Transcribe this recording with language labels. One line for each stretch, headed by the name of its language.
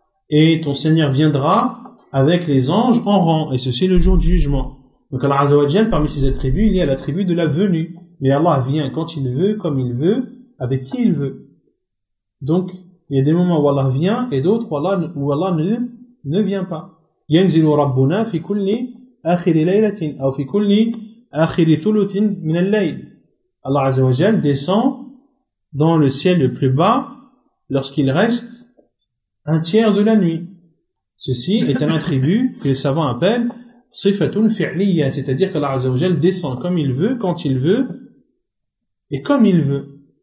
French: Et ton Seigneur viendra avec les anges en rang. Et ceci le jour du jugement. Donc Allah Azza wa Jalla, parmi ses attributs, il y a l'attribut de la venue. Mais Allah vient quand il veut, comme il veut, avec qui il veut. Donc, il y a des moments où Allah vient et d'autres où Allah ne vient pas.
Arabic: ينزل ربنا في كل آخر ليلة أو في كل آخر ثلث من الليل.
French: Allah عز وجل descend dans le ciel le plus bas lorsqu'il reste un tiers de la nuit. Ceci est un attribut que les savants appellent صفاتٌ فعلية, c'est-à-dire que Allah عز وجل descend comme il veut, quand il veut et comme il veut.